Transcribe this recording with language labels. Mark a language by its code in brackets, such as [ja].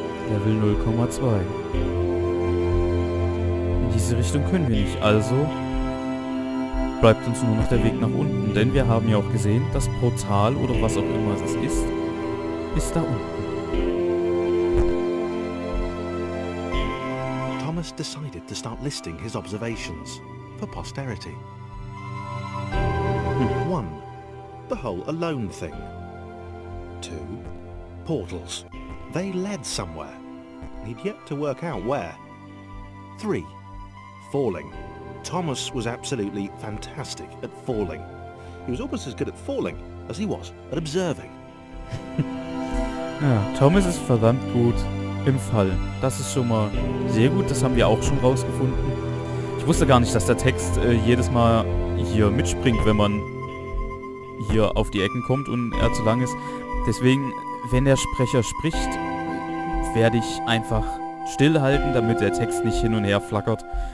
[de] Level 0,2. In diese Richtung können wir nicht, also bleibt uns nur noch der Weg nach unten, denn wir haben ja auch gesehen, das Portal oder was auch immer es ist, ist da unten. [en] Thomas decided to start listing his observations for posterity. 1. The whole alone thing. 2. Portals. They led somewhere. He'd yet to work out where. 3. Falling. Thomas was absolutely fantastic at falling. He was almost as good at falling as he was at observing. [de] Ja, Thomas ist verdammt gut im Fallen. Das ist schon mal sehr gut, das haben wir auch schon rausgefunden. Ich wusste gar nicht, dass der Text jedes Mal hier mitspringt, wenn man hier auf die Ecken kommt und er zu lang ist. Deswegen, wenn der Sprecher spricht, werde ich einfach stillhalten, damit der Text nicht hin und her flackert.